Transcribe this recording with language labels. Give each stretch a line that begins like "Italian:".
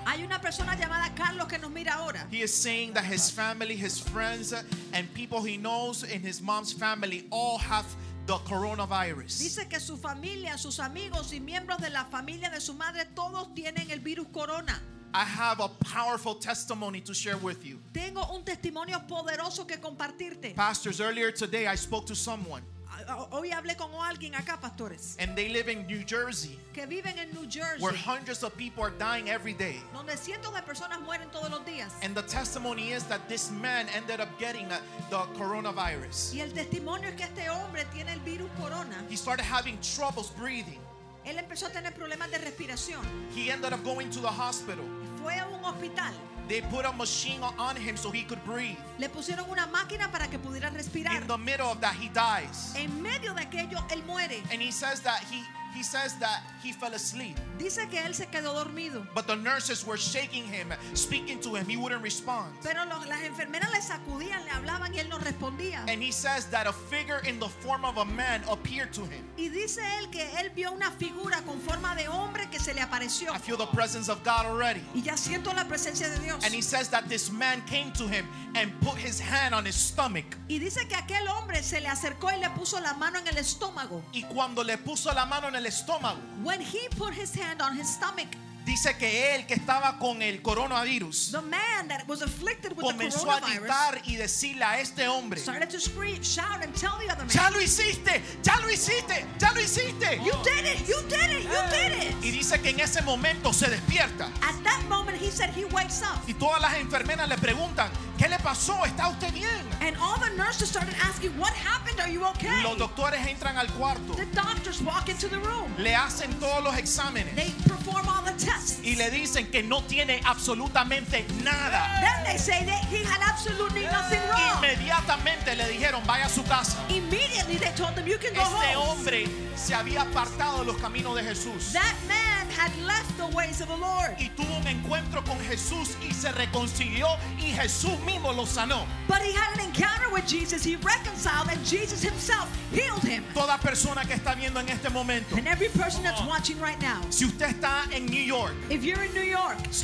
Spanish: Hay una persona llamada Carlos que nos mira ahora.
English: He is saying that his family, his friends, and people he knows in his mom's family all have the coronavirus.
Spanish: Dice que su familia, sus amigos y miembros de la familia de su madre todos tienen el virus corona.
English: I have a powerful testimony to share with you.
Spanish: Tengo un testimonio poderoso que compartirte.
English: Pastors, earlier today I spoke to someone.
Spanish: Hoy hablé con alguien acá, pastores.
English: And they live in New Jersey.
Spanish: Que viven en New Jersey.
English: Where hundreds of people are dying every day.
Spanish: Donde cientos de personas mueren todos los días.
English: And the testimony is that this man ended up getting the coronavirus.
Spanish: Y el testimonio es que este hombre tiene el virus corona.
English: He started having troubles breathing.
Spanish: Él empezó a tener problemas de respiración.
English: He ended up going to the hospital.
Spanish: Fue a un hospital.
English: They put a machine on him so he could breathe.
Spanish: Le pusieron una máquina para que pudiera respirar.
English: In the middle of that, he dies.
Spanish: En medio de aquello, él muere.
English: And he says that he fell asleep.
Spanish: Dice que él se quedó dormido.
English: But the nurses were shaking him, speaking to him. He wouldn't respond.
Spanish: Pero las enfermeras le sacudían, le hablaban y él no respondía.
English: And he says that a figure in the form of a man appeared to him.
Spanish: Y dice él que él vio una figura con forma de hombre que se le apareció.
English: I feel the presence of God already.
Spanish: Y ya siento la presencia de Dios.
English: And he says that this man came to him and put his hand on his stomach.
Spanish: Y dice que aquel hombre se le acercó y le puso la mano en el estómago. Y cuando le puso la mano en el estómago.
English: When he put his hand on his stomach,
Spanish: dice que él que estaba con el coronavirus,
English: the man that was afflicted with
Spanish: comenzó
English: the coronavirus,
Spanish: a gritar y decirle a este hombre,
English: started to scream, shout and tell the other man,
Spanish: ya lo hiciste, ya lo hiciste, ya lo hiciste.
English: You did it, you did it, you did it.
Spanish: Y dice que en ese momento se despierta.
English: At that moment he said he wakes up.
Spanish: Y todas las enfermeras le preguntan, ¿qué le pasó? ¿Está usted bien?
English: And all the nurses started asking, what happened? Are you okay?
Spanish: Los doctores entran al cuarto.
English: The doctors walk into the room.
Spanish: Le hacen todos los exámenes.
English: They perform all the tests.
Spanish: Y le dicen que no tiene absolutamente nada.
English: Then they say that he had absolutely nothing wrong.
Spanish: Inmediatamente le dijeron, vaya a su casa.
English: Immediately they told them, you can go
Spanish: este
English: home.
Spanish: Este hombre se había apartado de los caminos de Jesús.
English: That man had left the ways of the Lord.
Spanish: Y tuvo un encuentro con Jesús y se reconcilió y Jesús mismo lo sanó.
English: But he had an encounter with Jesus. He reconciled and Jesus himself healed him.
Spanish: Toda persona que está viendo en este momento.
English: And every person that's watching right now.
Spanish: Si usted está en New York.
English: If you're in New York.